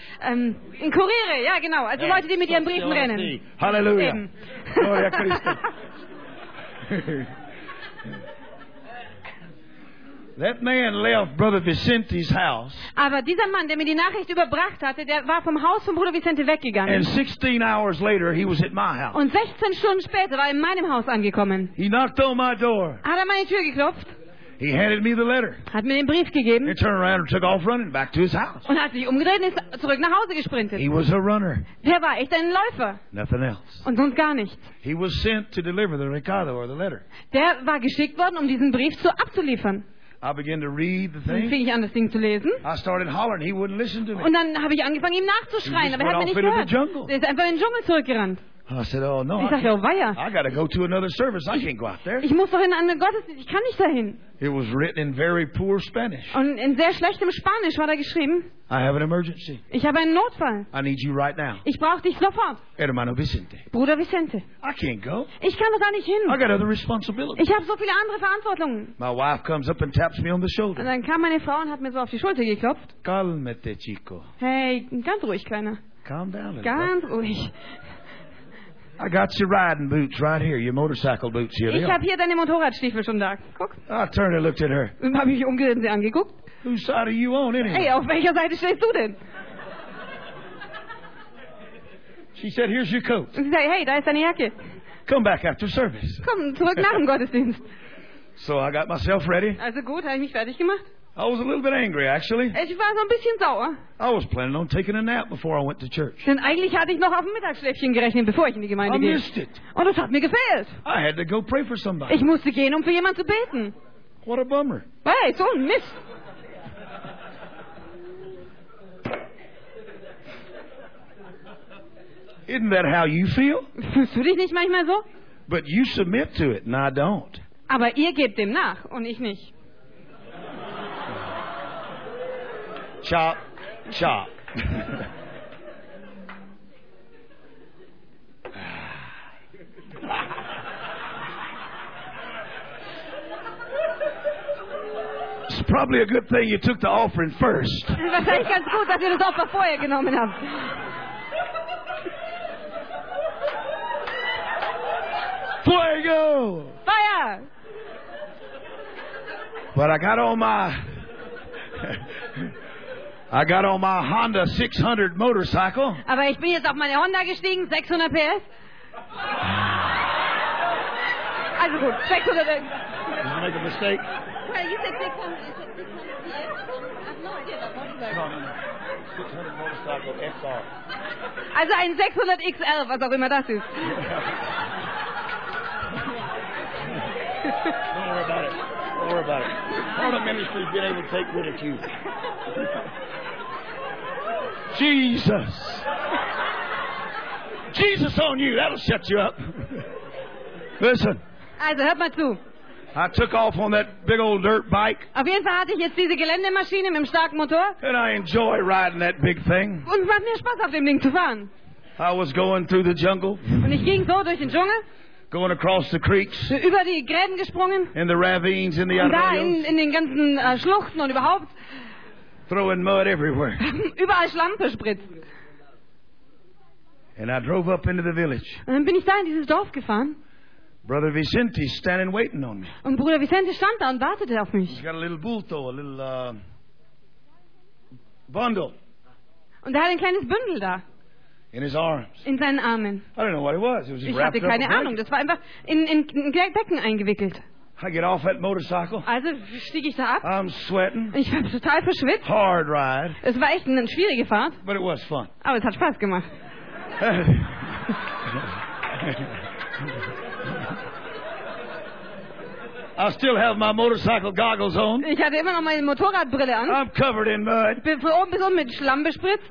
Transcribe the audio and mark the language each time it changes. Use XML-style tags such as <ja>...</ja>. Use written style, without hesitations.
<de>In Kuriere, ja genau. Also Leute, die mit ihren Briefen rennen.</de> <la>Halleluja. Gloria Christi.</la> <en>That man left Brother Vicente's house.</en> <de>Aber dieser Mann, der mir die Nachricht überbracht hatte, der war vom Haus von Bruder Vicente weggegangen.</de> <en>And 16 hours later, he was at my house.</en> <de>Und 16 Stunden später war er in meinem Haus angekommen.</de> <en>He knocked on my door.</en> <de>Hat an meine Tür geklopft.</de> <en>He handed me the letter.</en> <de>Hat mir den Brief gegeben.</de> <en>He turned around and took off running back to his house.</en> <de>Und hat sich umgedreht und ist zurück nach Hause gesprintet.</de> <en>He was a runner.</en> <de>Der war echt ein Läufer.</de> <en>Nothing else.</en> <de>Und sonst gar nichts.</de> <en>He was sent to deliver the Ricardo or the letter.</en> <de>Der war geschickt worden, um diesen Brief zu abzuliefern.</de> <en>I began to read the thing.</en> <de>Dann fing ich an, das Ding zu lesen.</de> <en>I started hollering. He wouldn't listen to me.</en> <de>Und dann habe ich angefangen, ihm nachzuschreien, aber er hat mich nicht gehört. Er ist einfach in den Dschungel zurückgerannt.</de> <en>I said, oh no.</en> <de>Ich sagte, oh weia.</de> <en>I gotta go to another service. I can't go out there.</en> <de>Ich muss doch in einen Gottesdienst. Ich kann nicht dahin.</de> <en>It was written in very poor Spanish.</en> <de>Und in sehr schlechtem Spanisch war da geschrieben.</de> <en>I have an emergency.</en> <de>Ich habe einen Notfall.</de> <en>I need you right now.</en> <de>Ich brauche dich sofort.</de> <es>Hermano Vicente.</es> <de>Bruder Vicente.</de> <en>I can't go.</en> <de>Ich kann doch da nicht hin.</de> <en>I got other responsibilities.</en> <de>Ich habe so viele andere Verantwortungen.</de> <en>My wife comes up and taps me on the shoulder.</en> <de>Und dann kam meine Frau und hat mir so auf die Schulter geklopft.</de> <es>Calmete, chico.</es> <de>Hey, ganz ruhig, Kleiner.</de> <en>Calm down.</en> <de>Ganz ruhig.</de> <en>I got your riding boots right here, your motorcycle boots here.</en> <de>Ich habe hier deine Motorradstiefel schon da. Guck.</de> <en>I turned and looked at her.</en> <de>Und habe mich umgedreht und sie angeguckt.</de> <en>Whose side are you on, anyway?</en> <de>Hey, auf welcher Seite stehst du denn?</de> <en>She said, "Here's your coat."</en> <de>Und sie sagte, hey, da ist deine Jacke.</de> <en>Come back after service.</en> <de>Komm zurück nach dem Gottesdienst.</de> <en>So I got myself ready.</en> <de>Also gut, habe ich mich fertig gemacht.</de> <en>I was a little bit angry, actually.</en> <de>Ich war so ein bisschen sauer.</de> <en>I was planning on taking a nap before I went to church.</en> <de>Denn eigentlich hatte ich noch auf ein Mittagsschläfchen gerechnet, bevor ich in die Gemeinde ging.</de> <en>I missed it.</en> <de>Und es hat mir gefehlt.</de> <en>I had to go pray for somebody.</en> <de>Ich musste gehen, um für jemanden zu beten.</de> <en>What a bummer.</en> <de>Hey, so ein Mist.</de> <en>Isn't that how you feel?</en> <de>Fühlst du dich nicht manchmal so?</de> <en>But you submit to it, and I don't.</en> <de>Aber ihr gebt dem nach, und ich nicht.</de> <en>Chop, chop. It's probably a good thing you took the offering first.</en> <de>Wahrscheinlich ganz gut, dass ihr das Opfer vorher genommen habt.</de> <es>Fuego!</es> <en>Fire! But I got all my... I got on my Honda 600 motorcycle.</en> <de>Aber ich bin jetzt auf meine Honda gestiegen, 600 PS. Also gut, 600.</de> <en>Did you make a mistake? Well, you said 600. I have no idea. No, 600 motorcycle</en> <de>SR. Also ein 600 XL, was auch immer das ist.</de> <en>Don't worry about it. Don't worry about it. Part of ministry has been able to take ridicule. Jesus. Jesus on you. That'll set you up. Listen.</en> <de>Also, hört mal zu.</de> <en>I took off on that big old dirt bike.</en> <de>Auf jeden Fall hatte ich jetzt diese Geländemaschine mit dem starken Motor.</de> <en>And I enjoy riding that big thing.</en> <de>Und es macht mir Spaß, auf dem Ding zu fahren.</de> <en>I was going through the jungle.</en> <de>Und ich ging so durch den Dschungel.</de> <en>Going across the creeks.</en> <de>Über die Gräben gesprungen.</de> <en>In the ravines, in the</en> <es>arroyos.</es> <de>Und da in den ganzen Schluchten und überhaupt.</de> <en>Throwing mud everywhere.</en> <de>Überall Schlamm verspritzt.</de> <en>And I drove up into the village.</en> <de>Und dann bin ich da in dieses Dorf gefahren.</de> <en>Brother Vicente standing waiting on me.</en> <de>Und Bruder Vicente stand da und wartete auf mich.</de> <en>He's got a little bulto, a little bundle.</en> <de>Und er hat ein kleines Bündel da.</de> <en>In his arms.</en> <de>In seinen Armen.</de> <en>I don't know what it was. It was just</en> <de>ich hatte keine Ahnung. Das war einfach in Decken eingewickelt.</de> <en>I get off that motorcycle.</en> <de>Also stieg ich da ab.</de> <en>I'm sweating.</en> <de>Ich war total verschwitzt.</de> <en>Hard ride.</en> <de>Es war echt eine schwierige Fahrt.</de> <en>But it was fun.</en> <de>Aber es hat Spaß gemacht.</de> <en>I still have my motorcycle goggles on.</en> <de>Ich hatte immer noch meine Motorradbrille an.</de> <en>I'm covered in mud.</en> <de>Bin von oben bis unten mit Schlamm bespritzt.</de>